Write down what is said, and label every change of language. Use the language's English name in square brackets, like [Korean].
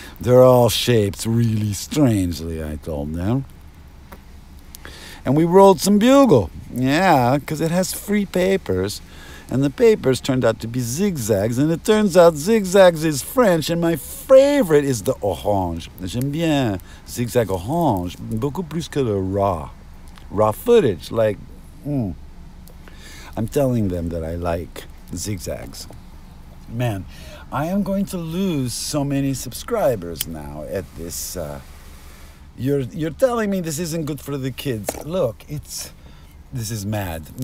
[English] They're all shaped really strangely, I told them. And we rolled some bugle. Yeah, because it has free papers. And the papers turned out to be zigzags. And it turns out zigzags is French. And my favorite is the orange. [French] J'aime bien zigzag orange. Beaucoup plus que le [English] raw footage. Like, I'm telling them that I like zigzags. Man, I am going to lose so many subscribers now at this. You're telling me this isn't good for the kids. Look, this is Mad.